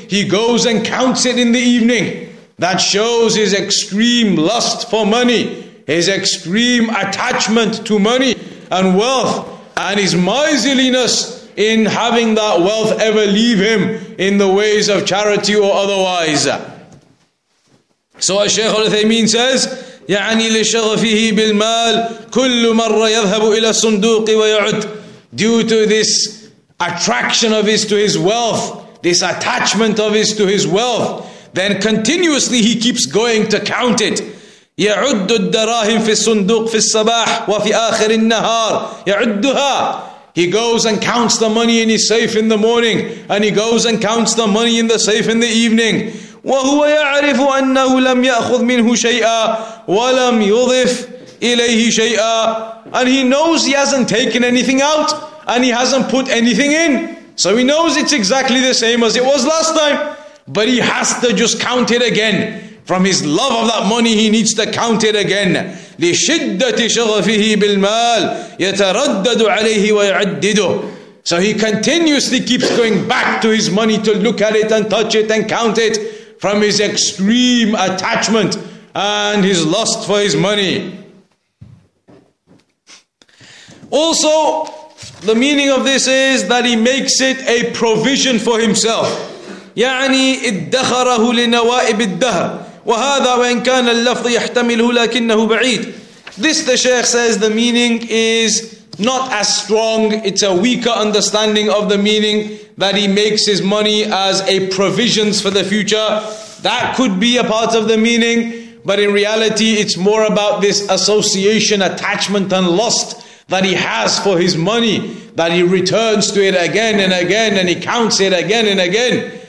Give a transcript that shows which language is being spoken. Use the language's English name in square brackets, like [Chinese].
[English] He goes and counts it in the evening. That shows his extreme lust for money, his extreme attachment to money and wealth, and his miserliness in having that wealth ever leave him in the ways of charity or otherwise. So as Shaykh al-Uthaymeen says, [Arabic] يعني لشغفه بالمال كل مرة يذهب إلى الصندوق ويعد. [English] Due to this attraction of his to his wealth, this attachment of his to his wealth, then continuously he keeps going to count it. [Arabic] يعد الدراهم في الصندوق في الصباح وفي آخر النهار يعدها. [English] He goes and counts the money in his safe in the morning, and he goes and counts the money in the safe in the evening. [Arabic] وهو يعرف أنه لم يأخذ منه شيئا ولم يضف إليه شيئا. [English] And he knows he hasn't taken anything out and he hasn't put anything in. So he knows it's exactly the same as it was last time. But he has to just count it again. From his love of that money, he needs to count it again. [Arabic] لشدة شغفه بالمال يتردد عليه ويعدده. [English] So he continuously keeps going back to his money to look at it and touch it and count it. From his extreme attachment and his lust for his money. Also, the meaning of this is that he makes it a provision for himself. [Arabic] يعني ادخره لنوائب الدهر. وهذا وإن كان اللفظ يحتمله لكنه بعيد. [English] This, the Shaykh says, the meaning is not as strong. It's a weaker understanding of the meaning that he makes his money as a provisions for the future. That could be a part of the meaning, but in reality it's more about this association, attachment and lust that he has for his money, that he returns to it again and again and he counts it again and again.